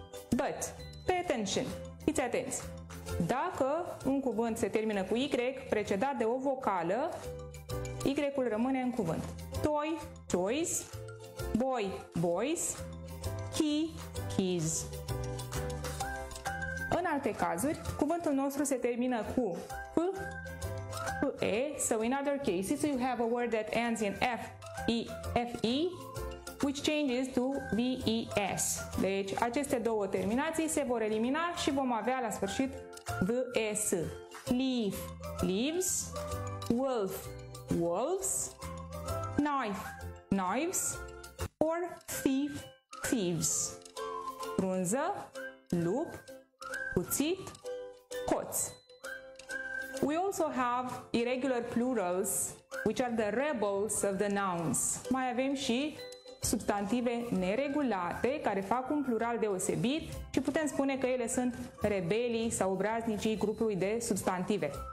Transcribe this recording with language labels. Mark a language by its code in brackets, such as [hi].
[en] But, pay attention, [ro] fiți atenți. Dacă un cuvânt se termină cu Y precedat de o vocală, Y-ul rămâne în cuvânt. [en] Toy, toys. Boy, boys. Key, keys. [ro] În alte cazuri, cuvântul nostru se termină cu F, F, E. [en] So in other cases, you have a word that ends in F, E, F, E, which changes to V, E, S. [ro] Deci, aceste două terminații se vor elimina și vom avea la sfârșit V, E, S. [en] Leaf, leaves. Wolf, wolves. Knife, knives. Or thief, thieves. [ro] Frunză, lup. Cuțit, coț. [en] We also have irregular plurals, which are the rebels of the nouns. [ro] Mai avem și substantive neregulate care fac un plural deosebit și putem spune că ele sunt rebelii sau obraznicii grupului de substantive.